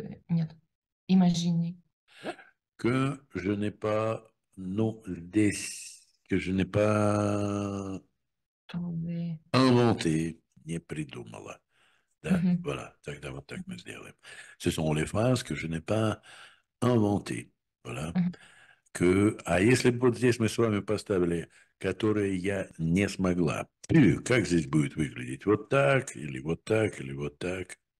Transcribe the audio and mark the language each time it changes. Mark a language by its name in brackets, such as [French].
[Russian] Нет, [French] имаginez. que je n'ai pas, non, des, que je n'ai pas Trouver. inventé, [Russian] не придумала. Да, [French] voilà, [Russian] тогда вот так мы сделаем. [French] Ce sont les phrases que je n'ai pas inventées, voilà. Que, [Russian] а если бы вот здесь мы с вами поставили, которые я не смогла, как здесь будет выглядеть? Вот так, или вот так, или вот так?